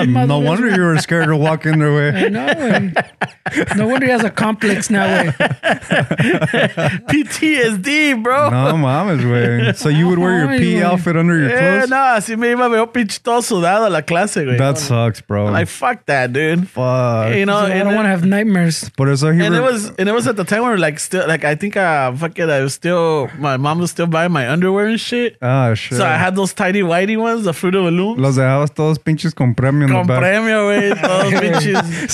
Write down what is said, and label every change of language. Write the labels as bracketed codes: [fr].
[en] No wonder you were scared to walk in there, güey. I know, man. No wonder he has a complex now, güey. PTSD, bro. [es] No, mames, güey. [en] So you would wear your PE outfit under your clothes? [es] Yeah, no, así me iba a ver pinche todo sudado a la clase, güey. [en] That sucks, bro. I'm like, fuck that, dude. Fuck. You know, I don't want to have nightmares. But it's like it was at the time where, like, still, like, I think, fuck it, I was still, my mom was still buying my underwear and shit. Ah, shit. So I had those tidy whitey ones, the fruit balloons. [es] Los dejabas todos pinches con premio. Premio, güey. Todos pinches.